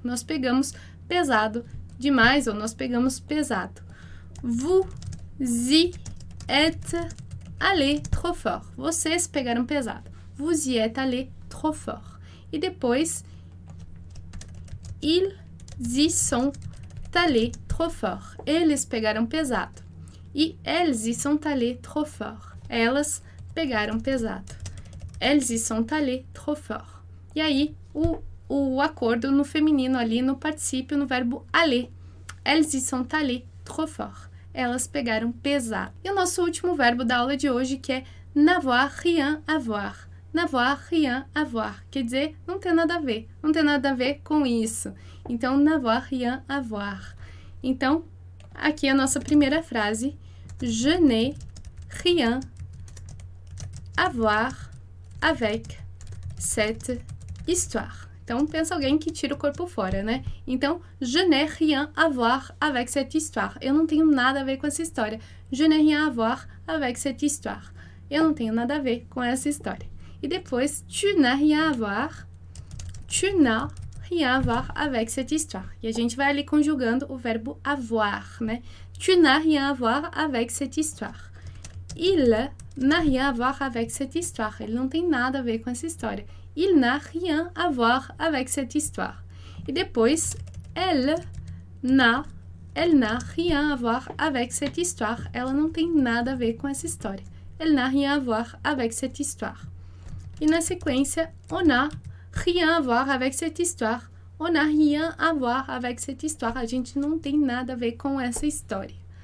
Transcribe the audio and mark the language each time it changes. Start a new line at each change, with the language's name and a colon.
Portuguese: Nós pegamos pesado demais, ou nós pegamos pesado.
French: Vous y êtes allés trop fort.
Portuguese: Vocês pegaram pesado.
French: Vous y êtes allés trop fort.
Portuguese: E depois,
French: ils y sont allés trop fort.
Portuguese: Eles pegaram pesado. E
French: elles y sont allés trop fort.
Portuguese: Elas pegaram pesado.
French: Elles y sont allés trop fort.
Portuguese: E aí, o acordo no feminino ali, no particípio, no verbo aller.
French: Elles y sont allés trop fort.
Portuguese: Elas pegaram pesado. E o nosso último verbo da aula de hoje, que é
French: n'avoir rien à voir. N'avoir rien à voir.
Portuguese: Quer dizer, não ter nada a ver. Não ter nada a ver com isso. Então,
French: n'avoir rien à voir.
Portuguese: Então, aqui a nossa primeira frase.
French: Je n'ai rien à voir avec cette histoire.
Portuguese: Então, pensa alguém que tira o corpo fora, né? Então,
French: je n'ai rien à voir avec cette histoire.
Portuguese: Eu não tenho nada a ver com essa história.
French: Je n'ai rien à voir avec cette histoire.
Portuguese: Eu não tenho nada a ver com essa história. E depois,
French: tu n'as rien à voir. Tu n'as rien à voir avec cette histoire.
Portuguese: E a gente vai ali conjugando o verbo avoir, né?
French: Tu n'as rien à voir avec cette histoire. Il n'a rien à voir avec cette histoire.
Portuguese: Ele não tem nada a ver com essa história.
French: Il n'a rien à voir avec cette histoire.
Portuguese: E depois,
French: elle n'a rien à voir avec cette histoire.
Portuguese: Ela não tem nada a ver com essa história.
French: Elle n'a rien à voir avec cette histoire.
Portuguese: E na sequência,
French: on a rien à voir avec cette histoire. On n'a rien à voir avec cette histoire.
Portuguese: A gente não tem nada a ver com essa história.